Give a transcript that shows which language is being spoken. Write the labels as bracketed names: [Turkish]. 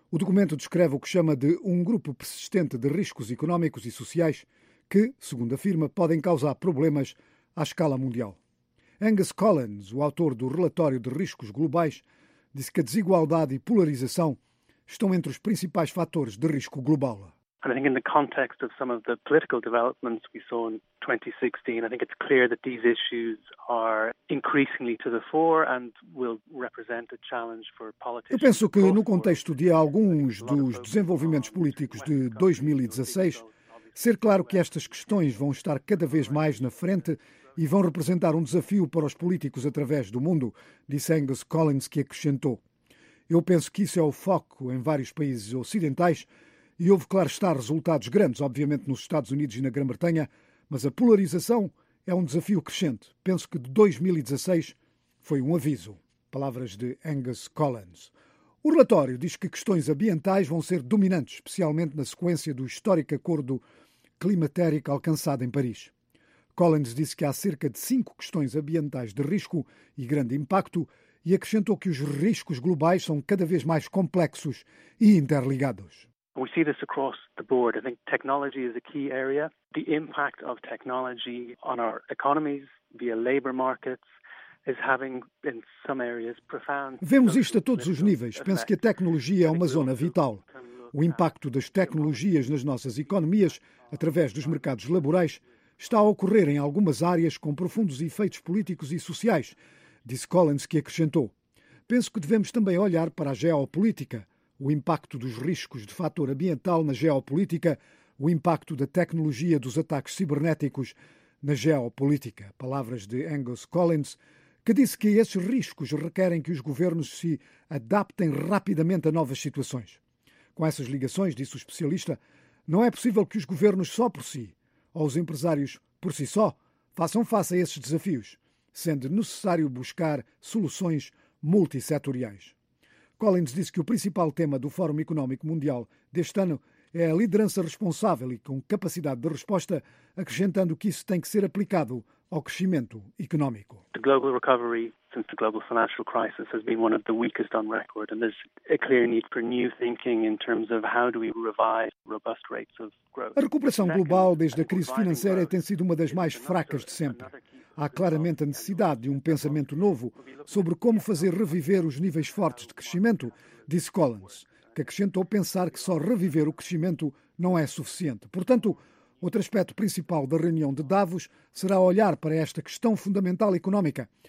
[Portuguese] O documento descreve o que chama de um grupo persistente de riscos económicos e sociais que, segundo afirma, podem causar problemas à escala mundial. Angus Collins, o autor do relatório de riscos globais, disse que a desigualdade e polarização estão entre os principais fatores de risco global. [English] And I think in the context of some of the political developments we saw in 2016, I think it's clear that these issues are increasingly to the fore and will represent a challenge for politicians. [Portuguese] Eu penso que no contexto de alguns dos desenvolvimentos políticos de 2016, ser claro que estas questões vão estar cada vez mais na frente e vão representar um desafio para os políticos através do mundo, disse Angus Collins, que acrescentou. Eu penso que isso é o foco em vários países ocidentais. E houve, claro, estar resultados grandes, obviamente, nos Estados Unidos e na Grã-Bretanha, mas a polarização é um desafio crescente. Penso que de 2016 foi um aviso. Palavras de Angus Collins. O relatório diz que questões ambientais vão ser dominantes, especialmente na sequência do histórico acordo climatérico alcançado em Paris. Collins disse que há cerca de 5 questões ambientais de risco e grande impacto e acrescentou que os riscos globais são cada vez mais complexos e interligados. [English] We see this across the board. I think technology is a key area. The impact of technology on our economies via labor markets is having in some areas profound. [Portuguese] Vemos isto a todos os níveis. Penso que a tecnologia é uma zona vital. O impacto das tecnologias nas nossas economias, através dos mercados laborais, está a ocorrer em algumas áreas com profundos efeitos políticos e sociais, disse Collins, que acrescentou. Penso que devemos também olhar para a geopolítica. O impacto dos riscos de fator ambiental na geopolítica, o impacto da tecnologia dos ataques cibernéticos na geopolítica. Palavras de Angus Collins, que disse que esses riscos requerem que os governos se adaptem rapidamente a novas situações. Com essas ligações, disse o especialista, não é possível que os governos só por si, ou os empresários por si só, façam face a esses desafios, sendo necessário buscar soluções multissetoriais. Collins disse que o principal tema do Fórum Económico Mundial deste ano é a liderança responsável e com capacidade de resposta, acrescentando que isso tem que ser aplicado ao crescimento económico. [English] The global recovery since the global financial crisis has been one of the weakest on record, and there's a clear need for new thinking in terms of how do we revive robust rates of growth. [Portuguese] A recuperação global desde a crise financeira tem sido uma das mais fracas de sempre. Há claramente a necessidade de um pensamento novo sobre como fazer reviver os níveis fortes de crescimento, disse Collins, que acrescentou pensar que só reviver o crescimento não é suficiente. Portanto, outro aspecto principal da reunião de Davos será olhar para esta questão fundamental económica.